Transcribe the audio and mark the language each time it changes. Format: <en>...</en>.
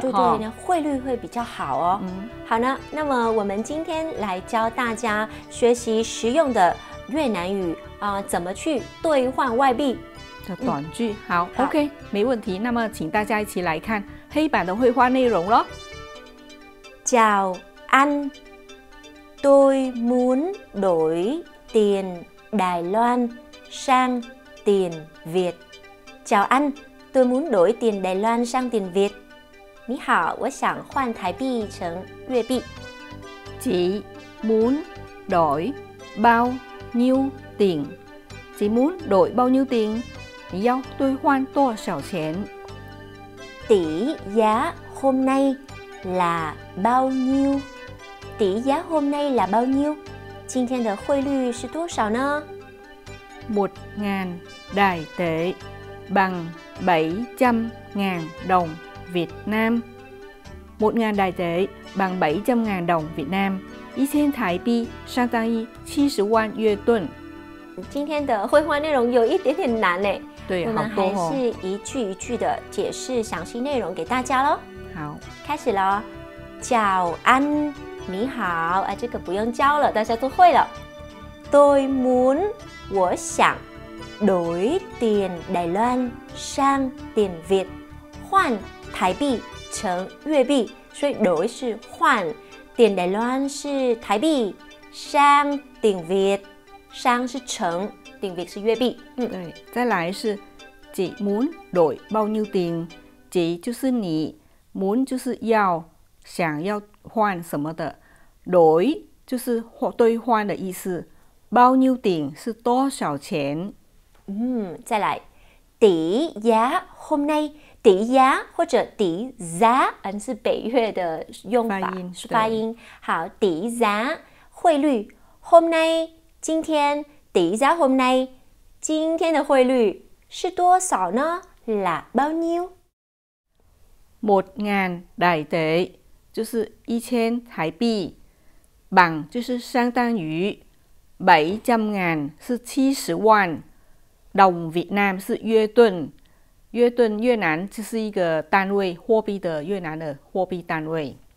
<zh>对对，汇率会比较好哦。好呢，那么我们今天来教大家学习实用的越南语怎么去兑换外币的短句。好 ，OK， 没问题。那么请大家一起来看黑板的绘画内容咯。</zh> <vi>Chào anh, tôi muốn đổi tiền Đài Loan sang tiền Việt. Chào anh, tôi muốn đổi tiền Đài Loan sang tiền Việt.</vi> <zh>你好，我想换台币成粤币。</zh> <vi>Chị muốn đổi bao nhiêu tiền? Chị muốn đổi bao nhiêu tiền?</vi> <zh>你要兑换多少钱？</zh> <vi>底价 hôm nay là bao nhiêu？底价 hôm nay là bao nhiêu？</vi> <zh>今天的汇率是多少呢？</zh> <vi>một ngàn đài tệ bằng 700.000 đồng Việt Nam. một ngàn đài tệ bằng 700.000 đồng Việt Nam.</vi> <zh>1000 thái币相当于70万越盾。今天的绘画内容有一点点难嘞。对，我们还是一句一句的解释详细内容给大家咯。好，开始咯。叫安，你好，这个不用教了，大家都会了。</zh> <vi>Tôi muốn，</vi> <zh>我想</zh> <vi>đổi tiền Đài Loan sang tiền Việt，</vi> <zh>换台币成粤币，所以 đổi 是换， tiền Đài Loan 是台币，</zh> <vi>sang tiền Việt，</vi> <zh>sang 是成。定位是月币。对，再来是</zh> <vi>chị muốn đổi bao nhiêu tiền，</vi> <zh>chị 就是你， muốn 就是要，想要换什么的， đổi 就是兑换的意思，</zh> <vi>bao nhiêu tiền</vi> <zh>是多少钱。再来，</zh> <vi>tỷ giá hôm nay，</vi> <zh>tỷ giá 或者 tỷ giá 是北越的用法发音。好， tỷ giá 汇率， hôm nay 今天，底价 hôm nay， 今天的汇率是多少呢？</zh> <vi>là bao nhiêu？ 1000 đài tệ</vi> <zh>就是1000 thái币， bằng 就是相当于， 700.000 是70万，</zh> <vi>đồng Việt Nam</vi> <zh>是约盾，约盾越南就是一个单位货币的，越南的货币单位。</zh>